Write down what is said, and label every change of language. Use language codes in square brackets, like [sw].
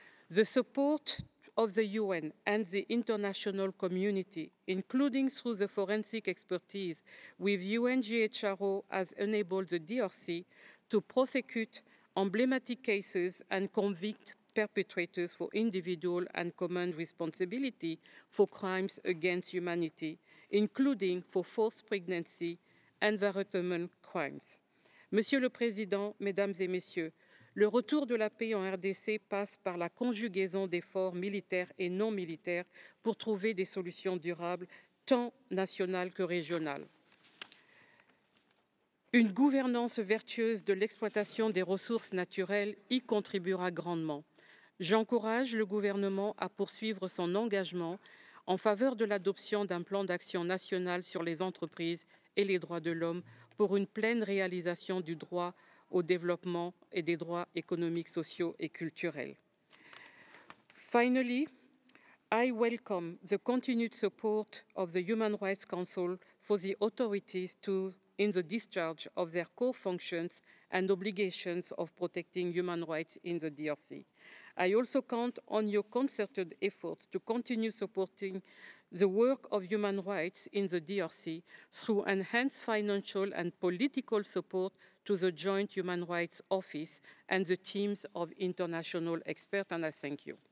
[en] The support of the UN and the international community, including through the forensic expertise with UNGHRO, has enabled the DRC to prosecute emblematic cases and convict perpetrators for individual and common responsibility for crimes against humanity, including for forced pregnancy and environmental crimes. [fr] Monsieur le Président, Mesdames et Messieurs, le retour de la paix en RDC passe par la conjugaison d'efforts militaires et non militaires pour trouver des solutions durables tant national que régional. Une gouvernance vertueuse de l'exploitation des ressources naturelles y contribuera grandement. J'encourage le gouvernement à poursuivre son engagement en faveur de l'adoption d'un plan d'action national sur les entreprises et les droits de l'homme pour une pleine réalisation du droit au développement et des droits économiques, sociaux et culturels. [en] Finally, I welcome the continued support of the Human Rights Council for the authorities to in the discharge of their core functions and obligations of protecting human rights in the DRC. I also count on your concerted efforts to continue supporting the work of human rights in the DRC through enhanced financial and political support to the Joint Human Rights Office and the teams of international experts, and I thank you.